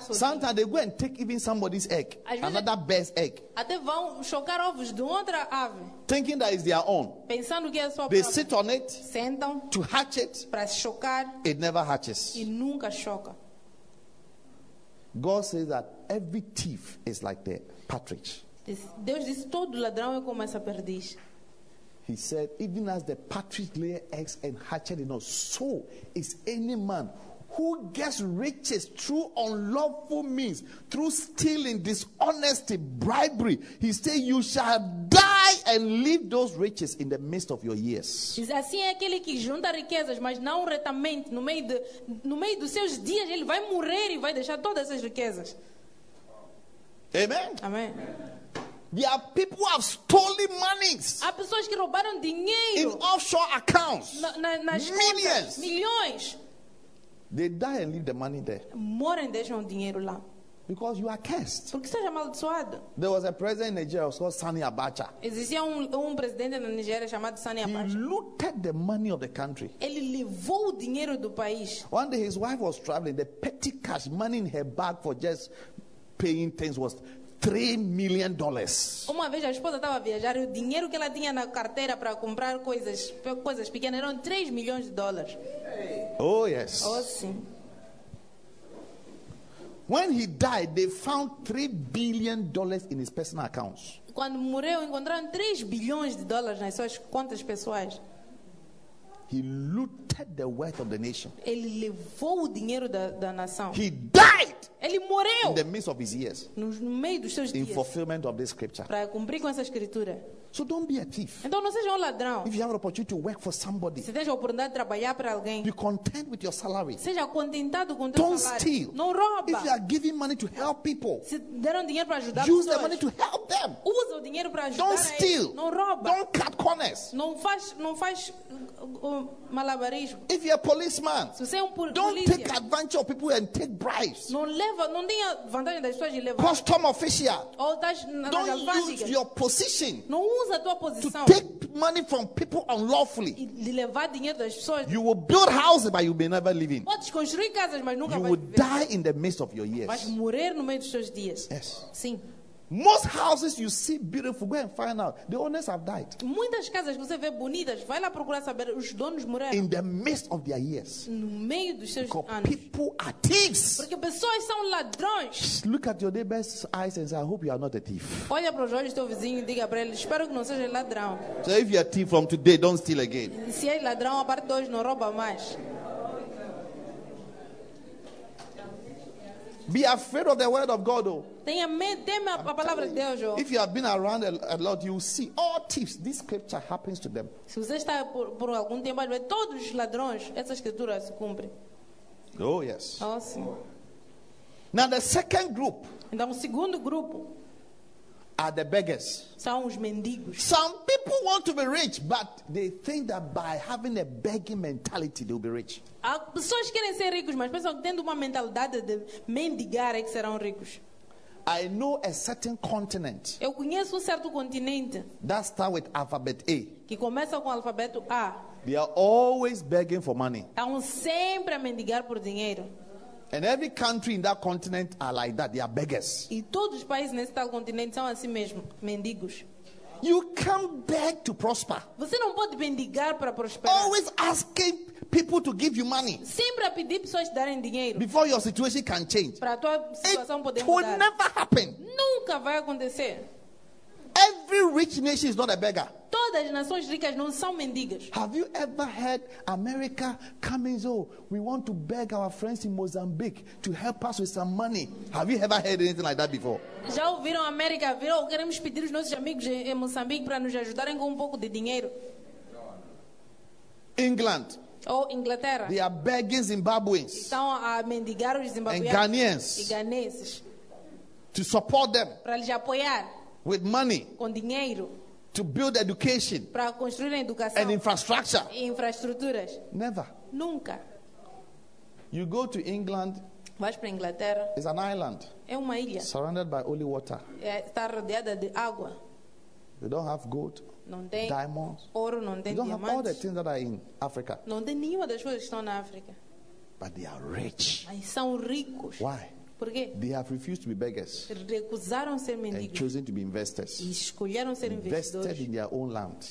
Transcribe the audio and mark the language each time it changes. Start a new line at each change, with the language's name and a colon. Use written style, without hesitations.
English: Sometimes they go and take even somebody's egg, another bear's egg.
Portuguese: Até vão chocar ovos de outra ave.
English: Thinking that it's their own.
Portuguese: Pensando que é sua
English: they
Portuguese: própria.
English: Sit on it.
Portuguese: Sentam.
English: To hatch it.
Portuguese: Para chocar.
English: It never hatches.
Portuguese: E nunca choca.
English: God says that every thief is like the partridge.
Portuguese: Deus diz todo ladrão é como essa perdiz.
English: He said, even as the partridge lay eggs and hatched it not, so is any man who gets riches through unlawful means, through stealing, dishonesty, bribery. He said, you shall die and leave those riches in the midst of your years.
Portuguese: Diz assim é aquele que junta riquezas, mas não retamente, no meio dos seus dias, ele vai morrer e vai deixar todas essas riquezas.
English: Amen. Amen. There are people who have stolen monies.
Portuguese: Há pessoas que roubaram dinheiro.
English: In offshore accounts.
Portuguese: Nas
English: millions.
Portuguese: Contas, milhões.
English: They die and leave the money there.
Portuguese: Morrem, deixam o dinheiro lá.
English: Because you are cursed.
Portuguese: Porque estás amaldiçoado.
English: There was a president in Nigeria called Sani Abacha.
Portuguese: Existia um presidente na Nigéria chamado Sani Abacha.
English: He looted the money of the country.
Portuguese: Ele levou o dinheiro do país.
English: One day his wife was traveling. The petty cash money in her bag for just paying things was $3 million.
Portuguese: Uma vez a esposa estava a viajar e o dinheiro que ela tinha na carteira para comprar coisas pequenas eram $3 million.
English: Oh yes.
Portuguese: Oh sim.
English: When he died, they found $3 billion in his personal accounts.
Portuguese: Quando morreu, encontraram $3 billion nas suas contas pessoais.
English: He looted the wealth of the nation.
Portuguese: Ele levou o dinheiro da nação.
English: He died.
Portuguese: Ele morreu.
English: In the midst of his years.
Portuguese: No meio dos seus dias.
English: In fulfillment of this scripture.
Portuguese: Para cumprir com essa escritura.
English: So don't be a thief.
Portuguese: Então não seja ladrão.
English: If you have an opportunity to work for somebody.
Portuguese: Se tens a oportunidade de trabalhar para alguém.
English: Be content with your salary.
Portuguese: Seja contentado com teu
English: Don't steal.
Portuguese: Não rouba.
English: If you are giving money to help people.
Portuguese: Se deram dinheiro para ajudar
English: use Use the money to help them.
Portuguese: Usa o dinheiro para ajudar.
English: Don't steal.
Portuguese: Não rouba.
English: Don't cut corners.
Portuguese: Não faz malabarismo.
English: If you're a policeman.
Portuguese: Se você é polícia.
English: Don't take advantage of people and take bribes.
Portuguese: Não tenha vantagem das pessoas de levar.
English: Custom official. Don't use your position.
Portuguese: Não usa a tua posição.
English: To take money from people unlawfully.
Portuguese: De levar dinheiro das pessoas.
English: You will build houses, but you may never live in.
Portuguese: Podes construir casas, mas nunca
English: you
Portuguese: vai viver.
English: You will die in the midst of your years.
Portuguese: Vais morrer no meio dos seus dias.
English: Yes.
Portuguese: Sim.
English: Most houses you see beautiful, go and find out. The owners have died.
Portuguese: Muitas casas que você vê bonitas, vai lá procurar saber os donos morreram.
English: In the midst of their years.
Portuguese: No meio dos seus
English: because
Portuguese: anos.
English: People are thieves.
Portuguese: Porque pessoas são ladrões.
English: Look at your neighbor's eyes and say, I hope you are not a thief.
Portuguese: Olha para os olhos do teu vizinho e diga para ele, espero que não seja ladrão.
English: So if you are a thief from today, don't steal again.
Portuguese: Se é ladrão, a partir de hoje não rouba mais.
English: Be afraid of the word of God, though.
Portuguese: Tenha medo, tema a palavra de Deus,
English: if you have been around a lot, you will see all thieves. This scripture happens to them.
Portuguese: Se você está por algum tempo, vai ver todos os ladrões. Essa escritura se cumpre.
English: Oh yes.
Portuguese: Oh sim.
English: Now the second group.
Portuguese: Então o segundo grupo.
English: Are the beggars.
Portuguese: São os mendigos.
English: Some people want to be rich, but they think that by having a begging mentality, they'll be rich.
Portuguese: Há pessoas que querem ser ricos, mas pensam que tendo uma mentalidade de mendigar é que serão ricos.
English: I know a certain continent.
Portuguese: Eu conheço certo continente.
English: That start with alphabet A.
Portuguese: Que começa com o alfabeto A.
English: They are always begging for money.
Portuguese: Estão sempre a mendigar por dinheiro.
English: And every country in that continent are like that. They are beggars.
Portuguese: E todos os países nesse tal continente são assim mesmo, mendigos.
English: You can't beg to prosper.
Portuguese: Você não pode mendigar para prosperar.
English: Always asking people to give you money.
Portuguese: Sempre a pedir pessoas darem dinheiro.
English: Before your situation can change.
Portuguese: Para tua situação poder mudar.
English: It will never happen.
Portuguese: Nunca vai acontecer.
English: Every rich nation is not a beggar.
Portuguese: Todas as nações ricas não são mendigas.
English: Have you ever heard America coming? Oh, we want to beg our friends in Mozambique to help us with some money. Have you ever heard anything like that before?
Portuguese: Já ouviram América? Queremos pedir aos nossos amigos em Moçambique para nos ajudarem com um pouco de dinheiro.
English: England.
Portuguese: Ou Inglaterra.
English: They are begging Zimbabweans.
Portuguese: Estão a mendigar os Zimbabweanos.
English: And Ghanaians.
Portuguese: E ganeses.
English: To support them.
Portuguese: Para lhes apoiar.
English: With money.
Portuguese: Com dinheiro.
English: To build education.
Portuguese: Para construir a educação.
English: And infrastructure.
Portuguese: E infraestruturas.
English: Never.
Portuguese: Nunca.
English: You go to England.
Portuguese: Vais para Inglaterra.
English: It's an island.
Portuguese: É uma ilha.
English: Surrounded by holy water.
Portuguese: Está rodeada de água.
English: They don't have gold.
Portuguese: Não tem.
English: Diamonds.
Portuguese: Ouro, não tem
English: They don't have all the things that are in Africa.
Portuguese: Não tem nenhuma das coisas que estão na África.
English: But they are rich.
Portuguese: Mas são ricos.
English: Why?
Portuguese: Porque
English: they have refused to be beggars.
Portuguese: Recusaram ser mendigos.
English: And chosen to be investors.
Portuguese: E escolheram ser investidores.
English: Invested in their own land.